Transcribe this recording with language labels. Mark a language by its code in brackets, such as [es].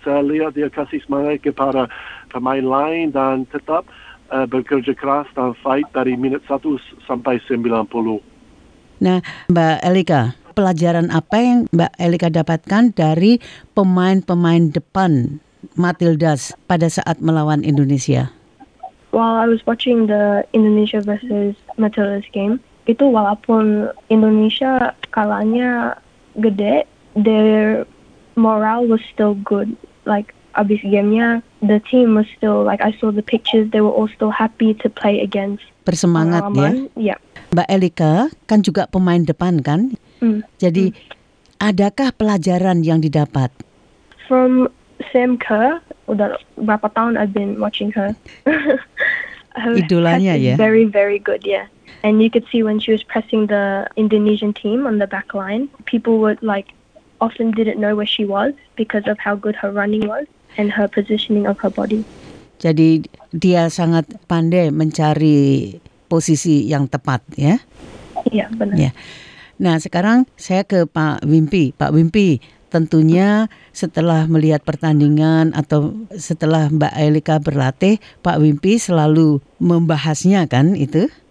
[id] Saya lihat dia kasih semangat kepada pemain lain dan tetap bekerja keras dan fight dari minit 1 sampai 90. Nah, Mbak Elika, pelajaran apa yang Mbak Elika dapatkan dari pemain-pemain depan Matildas pada saat melawan Indonesia? [en] While I was watching the Indonesia versus Matildas game, [id] itu walaupun Indonesia kalahnya gede, [en] their morale was still good. Like, [id] abis gamenya, [en] the team was still, like I saw the pictures, they were all still happy to play against. [id] Bersemangat ya? [en] Yeah. [id] Mbak Elika kan juga pemain depan kan? Jadi, adakah pelajaran yang didapat? [en] From Sam Kerr, [id] udah berapa tahun [en] I've been watching her. [id] Idolanya ya? [en] Very, very good, yeah. And you could see when she was pressing the Indonesian team on the back line, people would like, often didn't know where she was because of how good her running was and her positioning of her body. [id] Jadi dia sangat pandai mencari posisi yang tepat, ya? Iya, benar. Ya. Nah, sekarang saya ke Pak Wimpi. Pak Wimpi, tentunya setelah melihat pertandingan atau setelah Mbak Elika berlatih, Pak Wimpi selalu membahasnya, kan, itu?